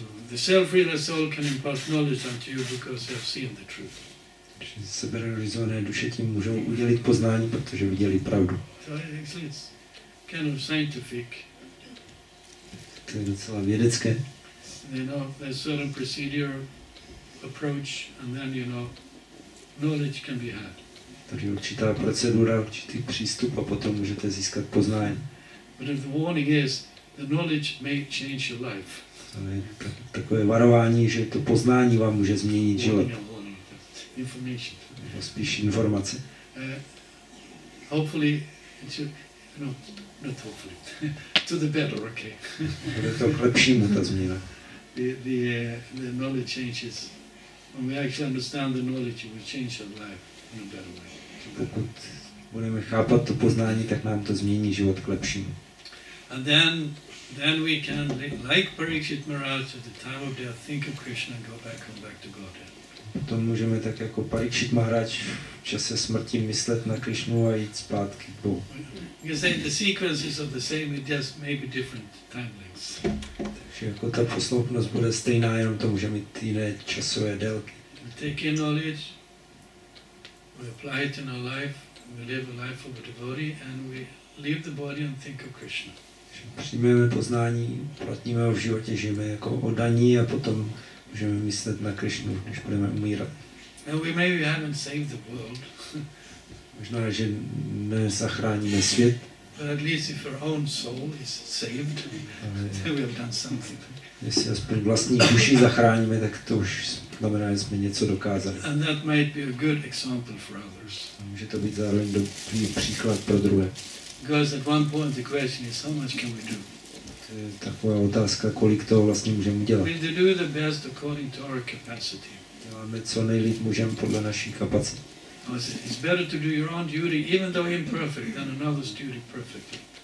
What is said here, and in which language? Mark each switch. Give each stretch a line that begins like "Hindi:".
English: The self-realized soul can impart knowledge unto you because they have seen the truth.
Czech: Seberealizované duše tím můžou udělit poznání, protože viděli pravdu.
English: Kind of scientific.
Czech: To je docela vědecké.
English: You know, there's certain procedure, approach, and then you know, knowledge can be had.
Czech: Takže určitá procedura, určitý přístup a potom můžete získat poznání.
English: But if the warning is, the knowledge may change your life.
Czech: Takové varování, že to poznání vám může změnit život.
English: Information.
Czech: Nebo spíš informace.
English: Hopefully, to, no, not hopefully, to the better, okay.
Czech: Bude to k lepšímu, ta změna.
English: The knowledge changes. When we actually understand the knowledge, it will change our life in a better way.
Czech: Pokud budeme chápat to poznání, tak nám to změní život k lepšímu.
English: And then we can, like Parikshit Maharaj at the time of death, think of Krishna and go back to Godhead.
Czech: Potom můžeme tak jako Parikshit Maharaj v čase smrti myslet na Krišnu a jít zpátky k Bohu.
English: The sequences of the same, it just may be different time lengths.
Czech: Takže jako ta posloupnost bude stejná, jenom to může mít jiné časové délky.
English: We take in knowledge, we apply it in our life, we live a life of a devotee and we leave the body and think of Krishna.
Czech: Přijmeme poznání, uplatníme ho v životě, žijeme jako oddaní a potom můžeme myslet na Krišnu, když budeme umírat.
English: Maybe haven't saved the world.
Czech: Možná, že nezachráníme svět.
English: But at least if our own soul is saved, then we have done something.
Czech: Jestli aspoň vlastní duši zachráníme, tak to už znamená, že jsme něco dokázali.
English: And that might be a good example for others.
Czech: Může to být zároveň dobrý příklad pro druhé.
English: Because at one point the question is, how much can we do?
Czech: Taková otázka, kolik toho vlastně můžeme udělat.
English: We do the best according to our capacity.
Czech: Děláme co nejlíp můžeme podle naší kapacity.
English: It's better to do your own duty, even though imperfect, than another's duty perfectly.